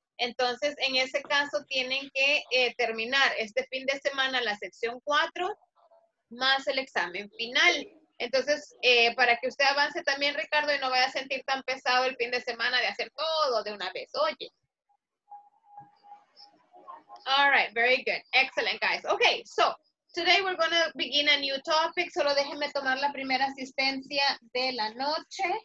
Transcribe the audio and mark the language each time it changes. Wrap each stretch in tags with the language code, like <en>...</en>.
<es>Entonces, en ese caso, tienen que terminar este fin de semana la sección 4 más el examen final. Entonces, para que usted avance también, Ricardo, y no vaya a sentir tan pesado el fin de semana de hacer todo de una vez. Oye.</es> <en>All right, very good. Excellent, guys. Okay, so, today we're going to begin a new topic.</en> <es>Solo déjenme tomar la primera asistencia de la noche.</es>